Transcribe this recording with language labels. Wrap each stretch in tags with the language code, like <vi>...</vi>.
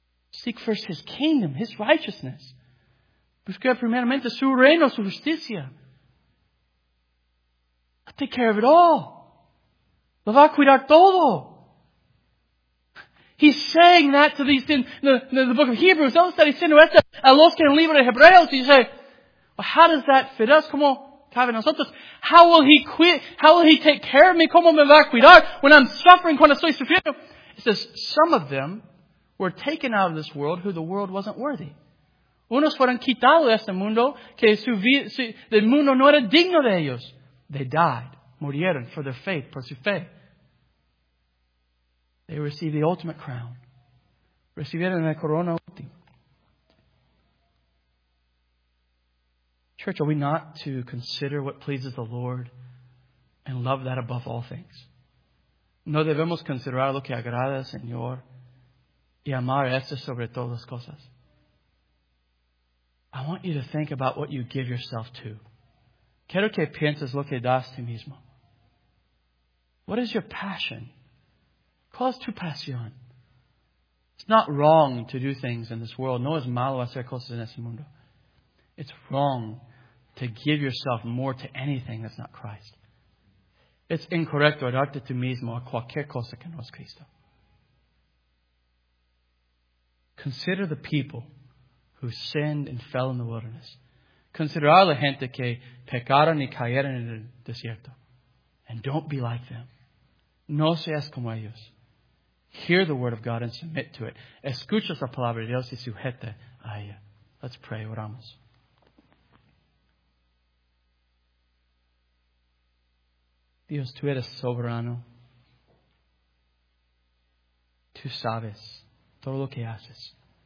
<en>Seek first His kingdom, His righteousness.</en> <es>Busca primeramente su reino, su justicia.</es> <en>He'll take care of it all.</en> <es>Lo va a cuidar todo.</es> <en>He's saying that to these in the book of Hebrews.</en> <es>Él está diciendo esto a los que en el libro de Hebreos. Y dice,</es> <en>well, how does that fit us?</en> <es>¿Cómo cabe nosotros?</es> <en>How will he take care of me?</en> <es>¿Cómo me va a cuidar</es> <en>when I'm suffering,</en> <es>cuando estoy sufriendo?</es> <en>It says, some of them were taken out of this world who the world wasn't worthy.</en> <es>Unos fueron quitados de este mundo que el mundo no era digno de ellos.</es> <en>They died,</en> <es>murieron</es> <en>for their faith,</en> <es>por su fe.</es> <en>They received the ultimate crown.</en> <es>Recibieron la corona última.</es> <en>Church, are we not to consider what pleases the Lord and love that above all things?</en> <es>No debemos considerar lo que agrada al Señor y amar eso sobre todas las cosas.</es> <en>I want you to think about what you give yourself to.</en> <es>Quiero que pienses lo que das a ti mismo.</es> <en>What is your passion?</en> <es>¿Cuál es tu pasión?</es> <en>It's not wrong to do things in this world.</en> <es>No es malo hacer cosas en este mundo.</es> <en>It's wrong to give yourself more to anything that's not Christ. It's incorrect to</en> <es>darte tú mismo a cualquier cosa que no es Cristo.</es> <en>Consider the people who sinned and fell in the wilderness. Consider</en> <es>a la gente que pecaron y cayeron en el desierto.</es> <en>And don't be like them.</en> <es>No seas como ellos.</es> <en>Hear the word of God and submit to it.</en> <es>Escucha la palabra de Dios y sujeta a ella.</es> <en>Let's pray.</en> <es>Oramos. Dios, tú eres soberano. Tú sabes todo lo que haces.</es>